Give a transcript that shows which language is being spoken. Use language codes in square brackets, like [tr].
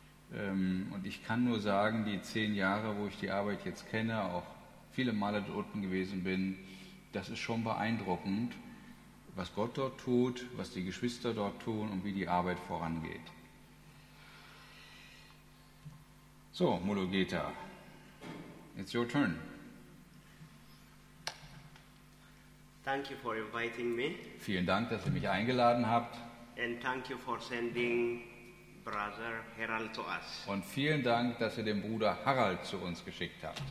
[de] Und ich kann nur sagen, die 10 Jahre, wo ich die Arbeit jetzt kenne, auch viele Male dort unten gewesen bin, das ist schon beeindruckend, was Gott dort tut, was die Geschwister dort tun und wie die Arbeit vorangeht. [en] So, Mulugeta, it's your turn. Thank you for inviting me. [de] Vielen Dank, dass ihr mich eingeladen habt. [en] And thank you for sending Brother Harald to us. [de] Und vielen Dank, dass ihr den Bruder Harald zu uns geschickt habt.